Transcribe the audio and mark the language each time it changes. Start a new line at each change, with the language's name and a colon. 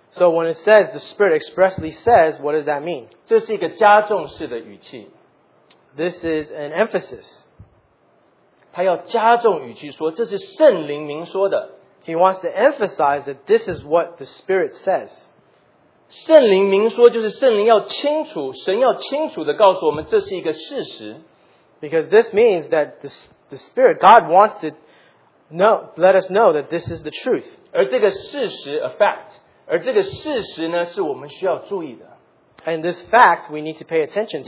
English: So when it says the Spirit expressly says, what does that mean?
Chinese: 这是一个加重式的语气。
English: This is an emphasis.
Chinese: 他要加重语气说这是圣灵明说的。
English: He wants to emphasize that this is what the Spirit says.
Chinese: 圣灵明说就是圣灵要清楚，神要清楚地告诉我们这是一个事实。
English: Because this means that the Spirit, God wants to know, let us know that this is the truth.
Chinese: 而这个事实,
English: a fact.
Chinese: 而这个事实呢, 是我们需要注意的。
English: And this fact we need to pay attention to.